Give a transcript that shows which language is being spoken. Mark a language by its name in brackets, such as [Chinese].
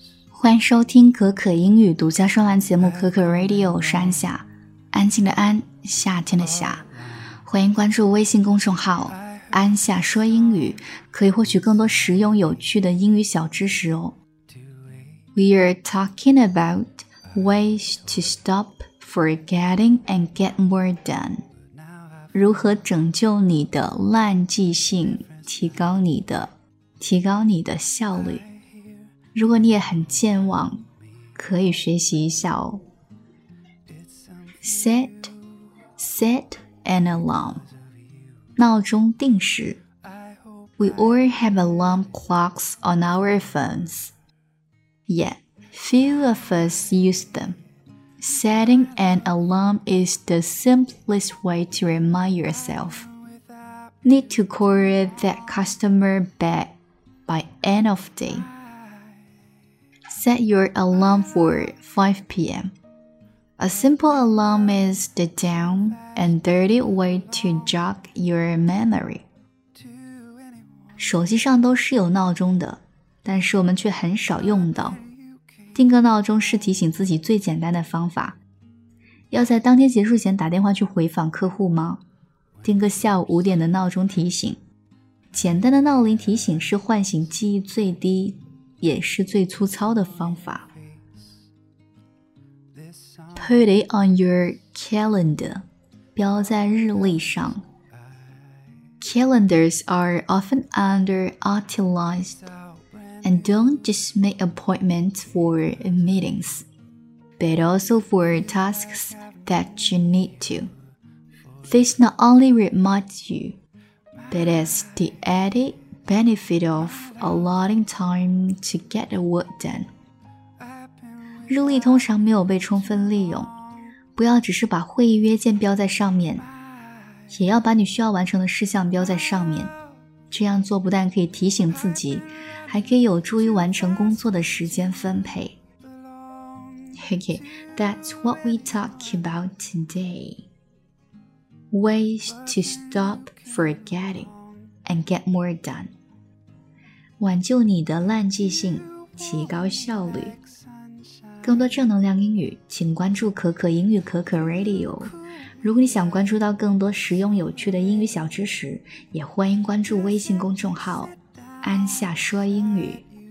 [Chinese] 欢迎收听可可英语独家专栏节目可可 Radio， 是安夏，安静的安，夏天的夏。欢迎关注微信公众号安夏说英语，可以获取更多实用有趣的英语小知识哦。 [English] We are talking about ways to stop forgetting and get more done. [Chinese] 如何拯救你的烂记性，提高你的效率。如果你也很健忘，可以学习一下哦。 [English] Set an alarm. [Chinese] 闹钟定时。 [English] We all have alarm clocks on our phones. Yet, few of us use them. Setting an alarm is the simplest way to remind yourself. Need to call that customer back by end of day. Set your alarm for 5 p.m. A simple alarm is the down and dirty way to jog your memory. [Chinese] 手机上都是有闹钟的，但是我们却很少用到。定个闹钟是提醒自己最简单的方法。要在当天结束前打电话去回访客户吗？定个下午5点的闹钟提醒。简单的闹铃提醒是唤醒记忆最低也是最粗糙的方法。 [English] Put it on your calendar. [Chinese] 标在日历上。 [English] Calendars are often underutilized and don't just make appointments for meetings, but also for tasks that you need to. This not only reminds you, but has the added benefit of allotting time to get the work done. [Chinese] 日历通常没有被充分利用，不要只是把会议约见标在上面，也要把你需要完成的事项标在上面。这样做不但可以提醒自己，还可以有助于完成工作的时间分配。 [English] Okay, that's what we talk about today. Ways to stop forgetting and get more done. [Chinese] 挽救你的烂记性，提高效率。更多正能量英语，请关注可可英语可可 Radio. 如果你想关注到更多实用有趣的英语小知识，也欢迎关注微信公众号安夏说英语。